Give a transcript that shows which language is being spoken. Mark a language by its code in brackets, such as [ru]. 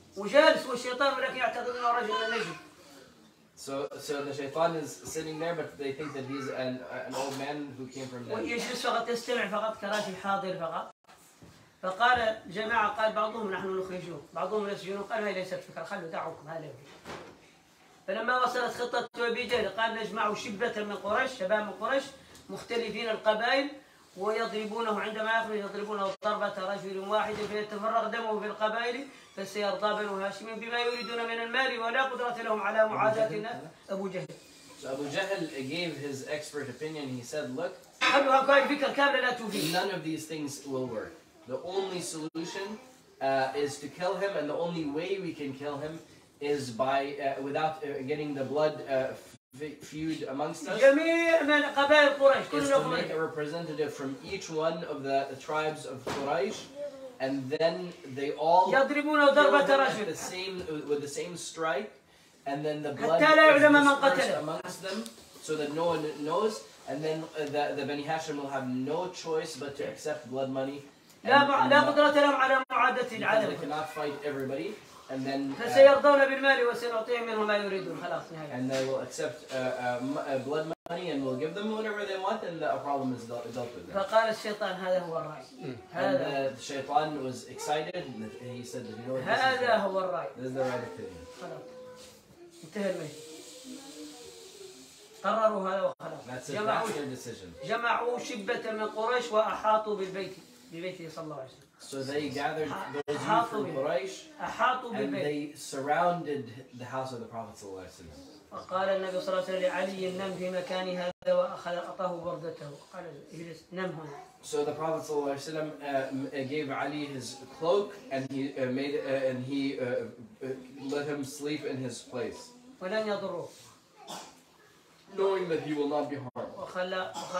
[ar] وجالس والشيطان ولكن يعتقد أنه رجل النجد. [en] So the shaitan is sitting there, but they think that he's an old man who came from. [ar] ويجلس فقط يستمع فقط كراجل حاضر فقط. فقال جماعة قال بعضهم نحن نخرجه بعضهم نسجنه قال هاي ليست فكرة خلوا دعوكم هذا. فلما وصلت خطة أبي جهل قال نجمع شبة من قريش شباب من قريش مختلفين القبائل ويضربونه عندما يخرج يضربونه ضربة رجل واحد فيتفرغ دمه في القبائل فسيرضى بنو هاشم بما يريدون من المال ولا قدرة لهم على معاداتنا أبو جهل. [en] So Abu Jahl gave his expert opinion. He said, look, none of these things will work. The only solution is to kill him, and the only way we can kill him is by without getting the blood feud amongst us. [ar] جميع من قبائل قريش. [en] Is to make a representative from each one of the tribes of Quraysh, and then they all [ar] يضربون ضربة رجل. [en] With the same strike, and then the blood [ar] حتى لا يعلم من قتل. [en] Amongst them, so that no one knows, and then the Bani Hashim will have no choice but to accept blood money. [ar] لا قدرة لهم على معادة العدو. [en] They cannot fight everybody. And then [ar] فسيرضون بالمال وسنعطيهم منه ما يريدون خلاص نهاية. [en] And they will accept blood money and will give them whatever they want and the problem is dealt with them. [ar] فقال الشيطان هذا هو الرأي. [en] And the shaitan was excited and he said that, you know, [ar] هذا هو الرأي. [en] This is the right opinion. [ar] خلاص انتهى المجلس. قرروا هذا وخلاص. [en] That's their decision. [ar] جمعوا شبة من قريش وأحاطوا ببيته صلى الله عليه وسلم. [en] So they gathered those youth from Quraysh and they surrounded the house of the Prophet sallallahu alaihi wasallam. So the Prophet sallallahu alaihi wasallam gave Ali his cloak and he let him sleep in his place, knowing that he will not be harmed.